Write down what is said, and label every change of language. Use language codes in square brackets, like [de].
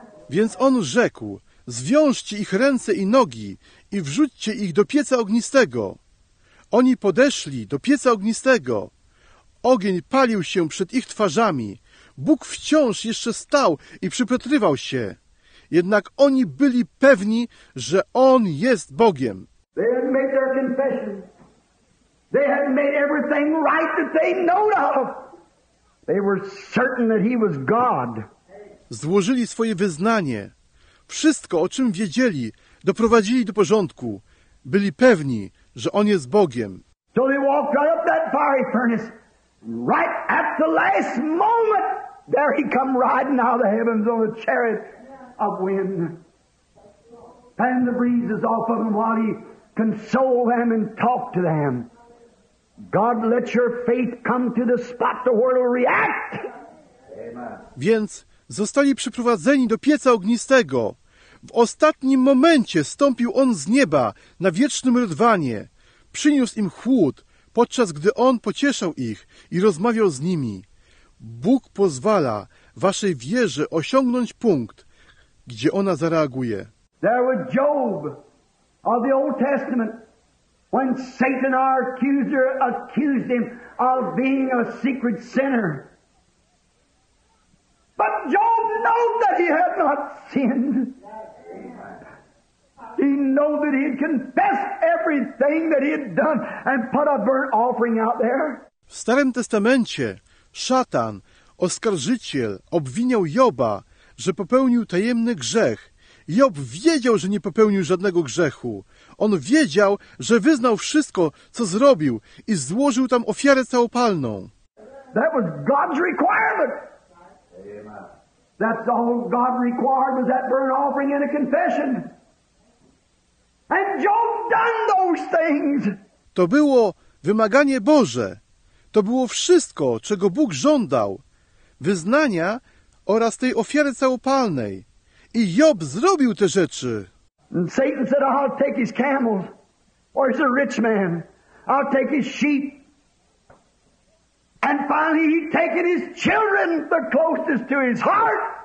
[pl] Więc on rzekł, zwiążcie ich ręce i nogi i wrzućcie ich do pieca ognistego. Oni podeszli do pieca ognistego. Ogień palił się przed ich twarzami. Bóg wciąż jeszcze stał i przypatrywał się. Jednak oni byli pewni, że On jest Bogiem. [en] They had made their confession. They had made everything right that they knew of. They were certain that he was God. [pl] Złożyli swoje wyznanie. Wszystko, o czym wiedzieli, doprowadzili do porządku. Byli pewni, że On jest Bogiem. [en] So they walked right up that fiery furnace. Right at the last moment, there he come riding out of the heavens on a chariot of wind. Fanned the breezes off of him while he consoled them and talked to them. God, let your faith come to the spot to where it'll react. [pl] Więc zostali przyprowadzeni do pieca ognistego. W ostatnim momencie stąpił on z nieba na wiecznym rydwanie. Przyniósł im chłód, podczas gdy on pocieszał ich i rozmawiał z nimi. Bóg pozwala waszej wierze osiągnąć punkt, gdzie ona zareaguje. [en] There was Job of the Old Testament when Satan, our accuser, accused him of being a secret sinner. But Job knew that he had not sinned. He knew that he had confessed everything that he had done and put a burnt offering out there. [pl] W Starym Testamencie szatan, oskarżyciel, obwiniał Joba, że popełnił tajemny grzech. Job wiedział, że nie popełnił żadnego grzechu. On wiedział, że wyznał wszystko, co zrobił i złożył tam ofiarę całopalną. [en] That was God's requirement. That's all God required, was that burnt offering and a confession. And Job done those things. [pl] To było wymaganie Boże. To było wszystko, czego Bóg żądał. Wyznania oraz tej ofiary całopalnej. I Job zrobił te rzeczy. [en] And Satan said, I'll take his camels. Or he's a rich man. I'll take his sheep. And finally he'd taken his children, the closest to his heart.